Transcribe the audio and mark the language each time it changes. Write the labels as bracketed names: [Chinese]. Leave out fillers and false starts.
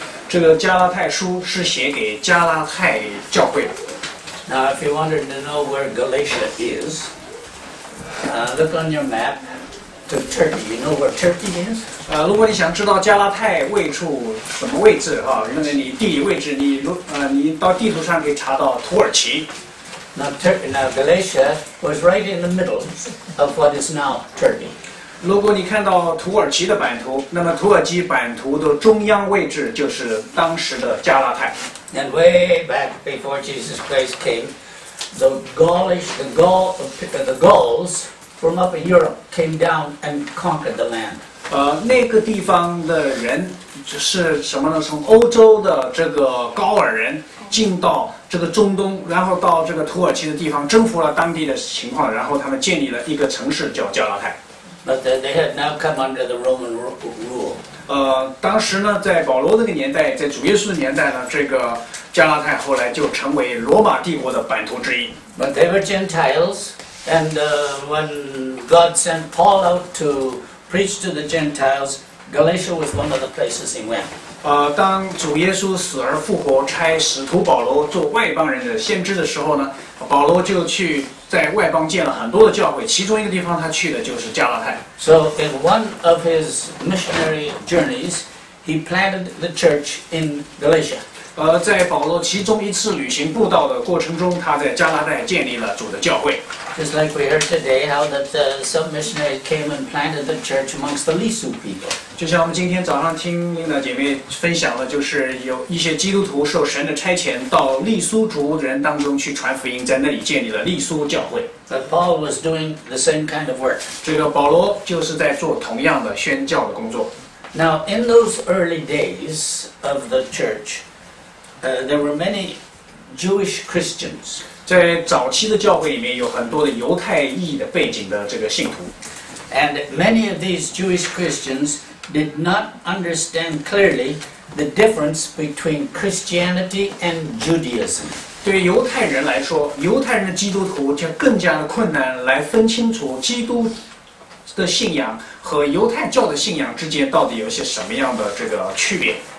[Chinese] 这个加拉太书是写给加拉太教会。 [English] Now, if you wanted to know where Galatia is, look on your map to Turkey. You know where Turkey is? [Chinese] 如果你想知道加拉太位处什么位置啊，因为你地理位置，你到地图上可以查到土耳其。 [English] Now, Galatia was right in the middle of what is now Turkey. [Chinese] 如果你看到土耳其的版图，那么土耳其版图的中央位置就是当时的加拉太。 [English] And way back before Jesus Christ came, the Gauls from up in Europe came down and conquered the land. [Chinese] 那个地方的人是什么呢？从欧洲的这个高尔人进到这个中东，然后到这个土耳其的地方，征服了当地的情况，然后他们建立了一个城市叫加拉太。 [English] But they had now come under the Roman rule. [Chinese] 当时呢，在保罗这个年代，在主耶稣的年代呢，这个加拉太后来就成为罗马帝国的版图之一。 [English] But they were Gentiles, and when God sent Paul out to preach to the Gentiles, Galatia was one of the places he went. [Chinese] 当主耶稣死而复活，差使徒保罗做外邦人的先知的时候呢，保罗就去在外邦建了很多的教会，其中一个地方他去的就是加拉太。 [English] So in one of his missionary journeys, he planted the church in Galatia. [Chinese] 在保罗其中一次旅行布道的过程中，他在加拉太建立了主的教会。 [English] Just like we heard today, how that some missionaries came and planted the church amongst the Lisu people. [Chinese] 就像我们今天早上听的姐妹分享了，就是有一些基督徒受神的差遣到利苏族人当中去传福音，在那里建立了利苏教会。 [English] But Paul was doing the same kind of work. [Chinese] 这个保罗就是在做同样的宣教的工作。 [English] Now, in those early days of the church, there were many Jewish Christians. [Chinese] 在早期的教会里面有很多的犹太裔的背景的这个信徒。 [English] And many of these Jewish Christians did not understand clearly the difference between Christianity and Judaism. [Chinese] 对犹太人来说，犹太人的基督徒就更加的困难来分清楚基督的信仰和犹太教的信仰之间到底有些什么样的这个区别。